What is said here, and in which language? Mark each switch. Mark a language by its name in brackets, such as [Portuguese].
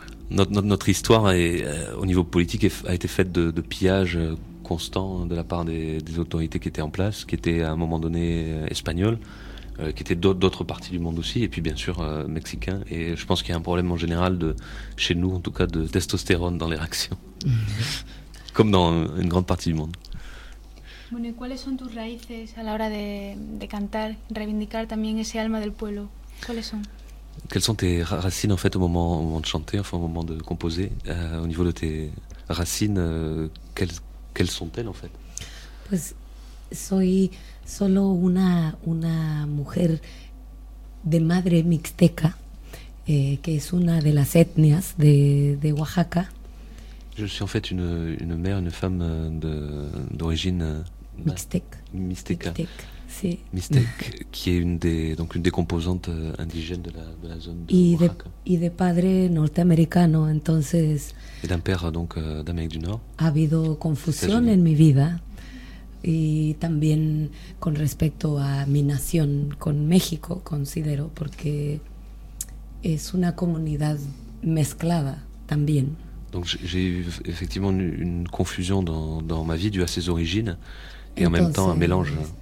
[French] Notre histoire au niveau politique a été faite de pillages constants de la part des autorités qui étaient en place, qui étaient à un moment donné espagnoles, qui étaient d'autres parties du monde aussi, et puis bien sûr mexicains. Et je pense qu'il y a un problème en général, chez nous en tout cas, de testostérone dans les réactions, comme dans une grande partie du monde. [Spanish] Bueno, ¿y cuáles son tus raíces a la hora de cantar, reivindicar también ese alma del pueblo? ¿Cuáles son? [French] Quelles sont tes racines en fait au moment de chanter, enfin au moment de composer, au niveau de tes racines, quelles sont-elles en fait? [Spanish] Pues soy solo una mujer de madre mixteca, que es una de las etnias de Oaxaca. [French] Je suis en fait une mère, une femme d'origine [Spanish] mixteca. Sí. [French] Mystique, qui est une des composantes indigènes de la zone de [Spanish] Oaxaca. Y de padre norteamericano, entonces. [French] Et d'un père donc d'Amérique du Nord. [Spanish] Ha habido confusión en mi vida, y también con respecto a mi nación con México, considero, porque es una comunidad mezclada también. [French] Donc j'ai eu effectivement une confusion dans ma vie due à ses origines, et [Spanish] entonces, [French] en même temps un mélange.